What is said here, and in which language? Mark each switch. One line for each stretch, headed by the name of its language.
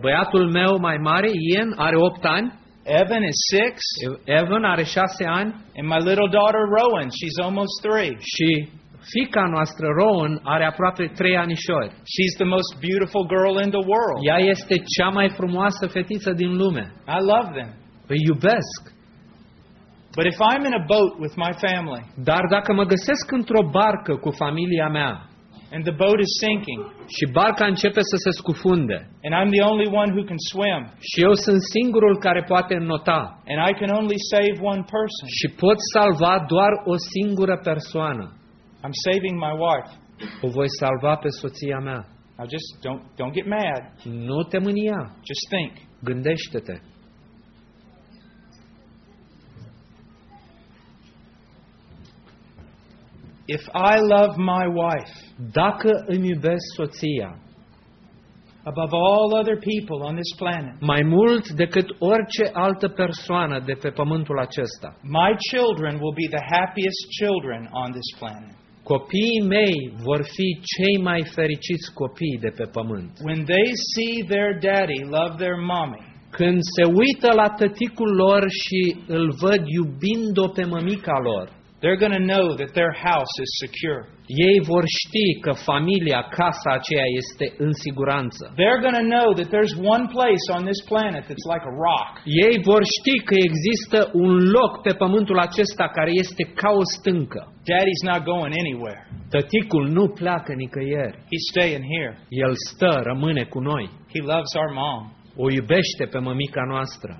Romanian: Băiatul meu mai mare, Ian, are 8 ani.
English: Evan is 6.
Romanian: Evan are 6 ani.
English: And my little daughter Rowan, she's almost 3.
Romanian: Și fiica noastră Rowan are aproape 3 anișori.
English: She's the most beautiful girl in the world.
Romanian: Ea este cea mai frumoasă fetiță din lume.
English: I love them.
Romanian: Îi iubesc.
English: But if I'm in a boat with my family.
Romanian: Dar dacă mă găsesc într-o barcă cu familia mea.
English: And the boat is sinking.
Romanian: Și barca începe să se scufunde.
English: And I'm the only one who can swim.
Romanian: Și eu sunt singurul care poate înota.
English: And I can only save one person.
Romanian: Și pot salva doar o singură persoană.
English: I'm saving my wife.
Romanian: O voi salva pe soția mea.
English: Now just don't get mad.
Romanian: Nu te mânia.
English: Just think.
Romanian: Gândește-te.
English: If I love my wife,
Romanian: dacă îmi iubesc soția,
English: above all other people on this planet,
Romanian: mai mult decât orice altă persoană de pe pământul acesta,
English: my children will be the happiest children on this planet.
Romanian: Copiii mei vor fi cei mai fericiți copii de pe pământ.
English: When they see their daddy love their mommy,
Romanian: când se uită la tăticul lor și îl văd iubind-o pe mămica lor,
English: they're going to know that their house is secure.
Romanian: Ei vor ști că familia, casa aceea este în siguranță.
English: They're going to know that there's one place on this planet that's like a rock.
Romanian: Ei vor ști că există un loc pe pământul acesta care este ca o stâncă.
English: Daddy's not going anywhere.
Romanian: Tăticul nu pleacă nicăieri.
English: He's staying here.
Romanian: El stă, rămâne cu noi.
English: He loves our mom.
Romanian: O iubește pe mămica noastră.